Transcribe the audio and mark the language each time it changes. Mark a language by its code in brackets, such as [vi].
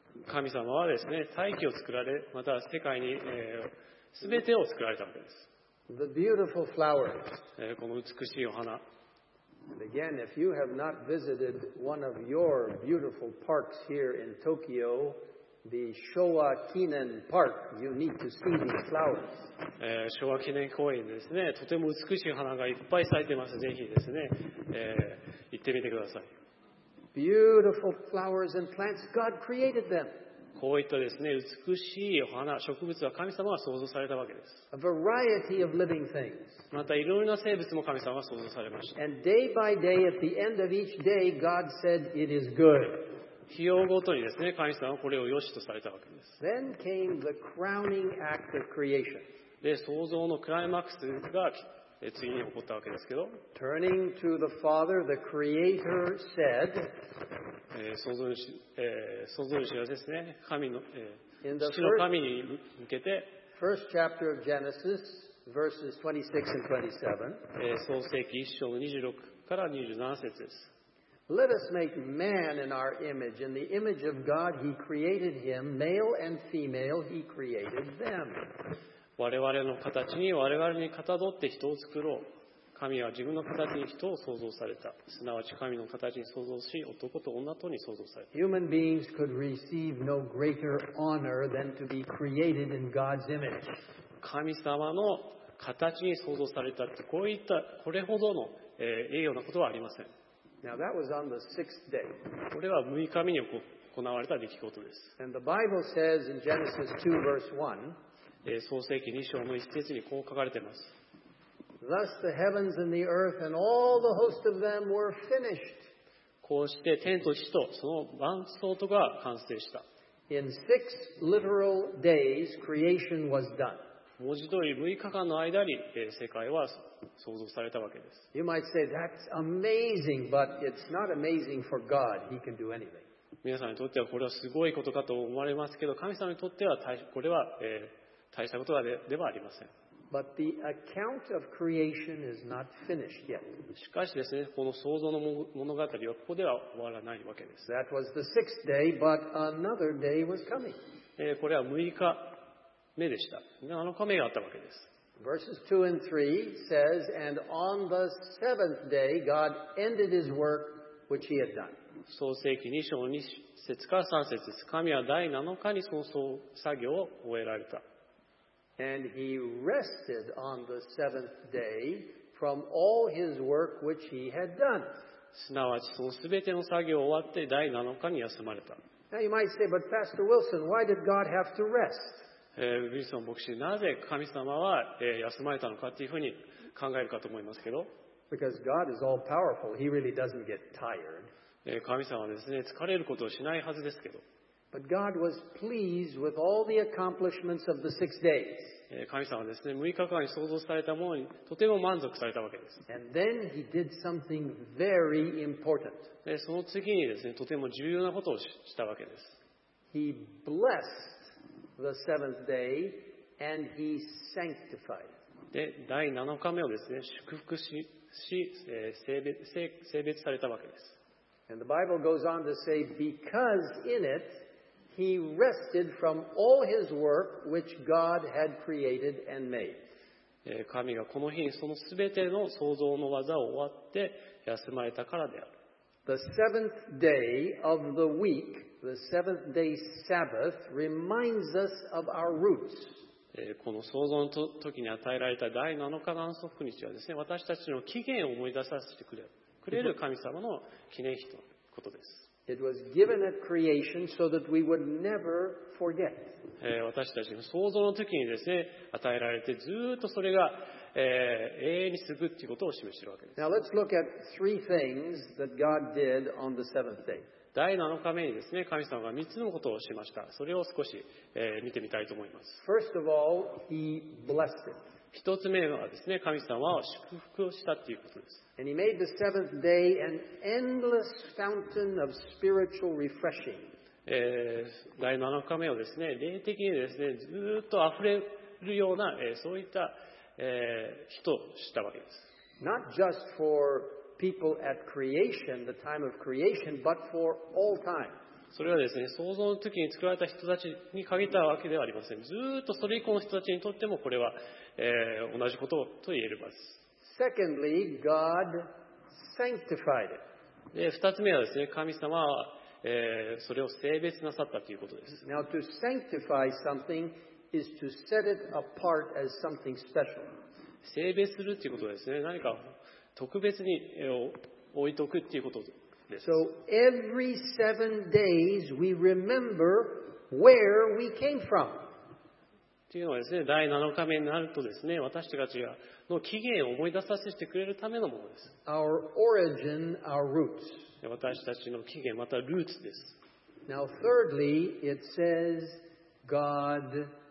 [ja] 神様はですね、大気を作られ、また世界に、全てを作られたわけです。 [en] The beautiful flowers. [ja] この美しいお花。 [en] And again, if you have not visited one of your beautiful parks here in Tokyo, the Showa Kinen Park, you need to see these flowers. [ja] 昭和記念公園ですね。とても美しい花がいっぱい咲いてます。ぜひですね、行ってみてください。 [en] Beautiful flowers and plants, God created them. [ja] こういったですね、美しい花、植物は神様が創造されたわけです。 [en] A variety of living things. [ja] またいろいろな生物も神様は創造されました。 [en] And day by day, at the end of each day, God said, "It is good." [ja] 日をごとにですね、神様はこれを良しとされたわけです。 [en] Then came the crowning act of creation. [ja] で、創造のクライマックスが次に起こったわけですけど。 [en] Turning to the Father, the Creator said, [ja] 創造主はですね、神の、父の神に向けて、 [en] First chapter of Genesis. Verses 26 and 27. [ja] 創世記1章の26から27節です。 [en] Let us make man in our image. In the image of God, he created him. Male and female, he created them. [ja] 我々の形に我々にかたどって人を作ろう。神は自分の形に人を創造された。すなわち神の形に創造し、男と女とに創造された。 [en] Human beings could receive no greater honor than to be created in God's image. [ja] 神様の形に創造されたってこういったこれほどの栄誉なことはありません。 [en] Now, that was on the sixth day. [ja] これは6日目に行われた出来事です。 [en] And the Bible says in Genesis 2 verse [ja] 1, 創世記2章の1節にこう書かれています。 [en] Thus the heavens and the earth and all the host of them were finished. [ja] こうして天と地とその万総とが完成した。 [en] In six literal days, creation was done. [ja] 文字通り6日間の間に世界は創造されたわけです。 [en] You might say, that's amazing, but it's not amazing for God. He can do anything. [ja] 皆さんにとってはこれはすごいことかと思われますけど、神様にとってはこれは大したことではありません。 [en] But the account of creation is not finished yet. [ja] しかしですね、この創造の物語はここでは終わらないわけです。 [en] That was the sixth day, but another day was coming. [ja] これは6日。目でした。 7日目があったわけです。 [en] Verses 2 and 3 says, And on the seventh day, God ended his work which he had done. [ja] 創世記2章2節から3節です。神は第7日にその作業を終えられた。 [en] And he rested on the seventh day from all his work which he had done. [ja] すなわちその全ての作業を終わって第7日に休まれた。 [en] Now you might say, But Pastor Wilson, why did God have to rest? [ja] ウィルソン牧師、なぜ神様は休まれたのかっていうふうに考えるかと思いますけど、 [en] Because God is all powerful. He really doesn't get tired. [ja] 神様はですね、疲れることをしないはずですけど、 [en] But God was pleased with all the accomplishments of the six days. [ja] 神様はですね、6日間に創造されたものにとても満足されたわけです。 [en] And then he did something very important. [ja] その次にですね、とても重要なことをしたわけです。 [en] He blessedThe seventh day, and he sanctified. [ja] で、第7日目をですね、祝福しし、性別されたわけです。 [en] And the Bible goes on to say, because in it he rested from all his work which God had created and made. [ja] 神がこの日にそのすべての創造の技を終わって休まれたからである。 [en] The seventh day of the week, the seventh day Sabbath, reminds us of our roots. [ja] この創造の時に与えられた第7日の安息日はですね、私たちの起源を思い出させてくれる神様の記念日ということです。 [en] It was given at creation so that we would never forget. [ja] 私たちの創造の時にですね、与えられてずっとそれが永遠に続くということを示しているわけです。 [en] Now let's look at three things that God did on the seventh day. [ja] 第7日目にですね、神様が3つのことをしました。それを少し見てみたいと思います。 [en] First of all, He blessed it. [ja] 一つ目はですね、神様は祝福をしたということです。 [en] And He made the seventh day an endless fountain of spiritual refreshing. [ja] 第7日目をですね、霊的にですね、ずっと溢れるような、そういった人したわけです。 [en] Not just for people at creation, the time of creation, but for all time. [ja] それはですね、創造の時に作られた人たちに限ったわけではありません。ずっとそれ以降の人たちにとってもこれは、同じことと言えるわけです。 [en] Secondly, God sanctified it. [ja] で、二つ目はですね、神様は、それを聖別なさったということです。 [en] Now, to sanctify something,is to set it apart as something special. [ja] 聖別するということですね。何か特別に置いておくということです。 [en] So every seven days we remember where we came from. [ja] というのはですね、第7日目になるとですね、私たちの起源を思い出させてくれるためのものです。 [en] Our origin, our roots. [ja] 私たちの起源、またルーツです。 [en] Now thirdly, it says God.